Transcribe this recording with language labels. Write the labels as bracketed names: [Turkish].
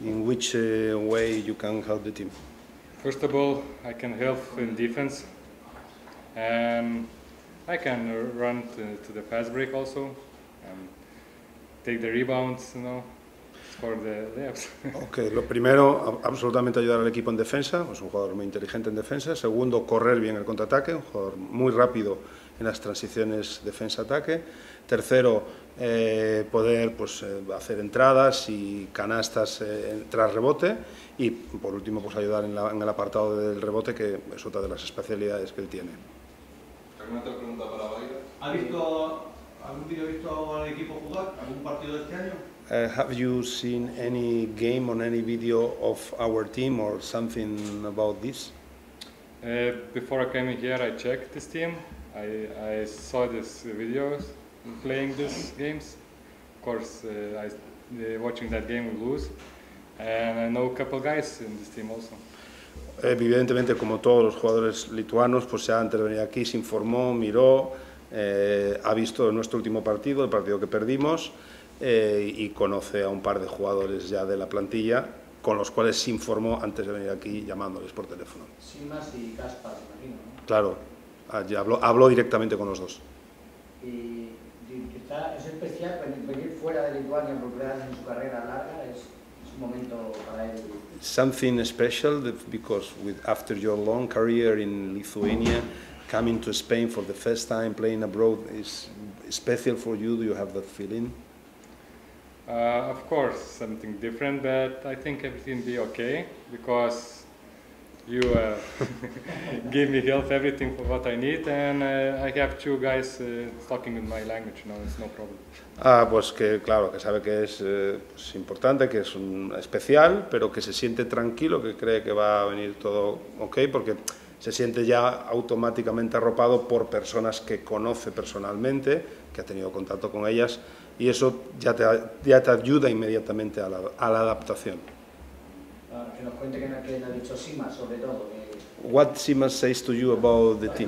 [English] In which way you can help the team? First of all, I can help in defense. I can run to the fast break also. Take the rebounds, you know, score the layups. [Spanish] Okay, lo primero, absolutamente ayudar al equipo en defensa, es un jugador muy inteligente en defensa. Segundo, correr bien el contraataque, un jugador muy rápido en las transiciones defensa-ataque. Tercero, poder pues hacer entradas y canastas tras rebote. Y por último, pues ayudar en el apartado del rebote, que es otra de las especialidades que él tiene. ¿Alguna otra pregunta para Baida? ¿Ha visto algún video visto al equipo jugar? ¿Algún partido de este año? [English] Have you seen any game or any video of our team or something about this? Before I came here, I checked this team. I saw this videos playing these games. Of course, watching that game we lose. And I know a couple guys in this team also. [Spanish] Evidentemente, como todos los jugadores lituanos, pues se ha intervenido aquí, se informó, miró. Ha visto nuestro último partido, el partido que perdimos, y conoce a un par de jugadores ya de la plantilla con los cuales se informó antes de venir aquí llamándoles por teléfono. Simas y Kaspar, imagino, ¿no? Claro, habló directamente con los dos. Y es especial venir fuera de Lituania por primera vez en su carrera larga, es un momento para él. [English] Something special because after your long career in Lithuania. Coming to Spain for the first time, playing abroad, is special for you? Do you have that feeling? Of course, something different, but I think everything will be okay, because you give me help, everything for what I need, and I have two guys talking in my language, you know, it's no problem. [Spanish] Ah, pues que claro, que sabe que es pues importante, que es un especial, pero que se siente tranquilo, que cree que va a venir todo okay, porque se siente ya automáticamente arropado por personas que conoce personalmente, que ha tenido contacto con ellas, y eso ya te ayuda inmediatamente a la adaptación. Que nos cuente que ha dicho Sima, sobre todo. [English] What Sima says to you about the team?